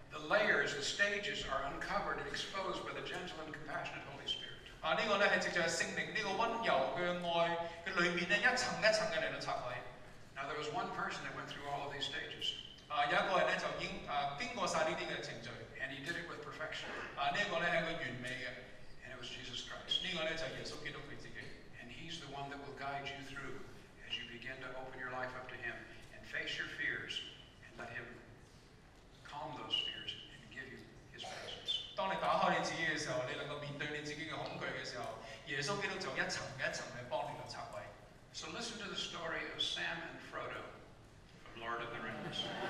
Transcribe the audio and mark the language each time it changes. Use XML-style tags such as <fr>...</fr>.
<en>layers and stages are uncovered and exposed by the gentle and compassionate Holy Spirit.</en> <yue>这个呢是藉着圣灵这个温柔的爱，它里面呢一层一层嘅嚟到拆开。</yue> <en>Now there was one person that went through all of these stages.</en> <yue>有一个人呢就已经经过晒呢啲嘅程序。</yue> <en>And he did it with perfection.</en> <yue>这个呢系一个完美嘅。</yue> <en>And it was Jesus Christ.</en> <yue>这个呢就耶稣基督佢自己。</yue> <en>And he's the one that will guide you through as you begin to open your life up to him and face your fears and let him calm those fears and give you his presence.</en> <yue>当你打开你自己嘅时候，你能够面对你自己嘅恐惧嘅时候，耶稣基督就一层一层嚟帮你去拆毁。</yue> <en>So listen to the story of Sam and Frodo from Lord of the Rings.</en>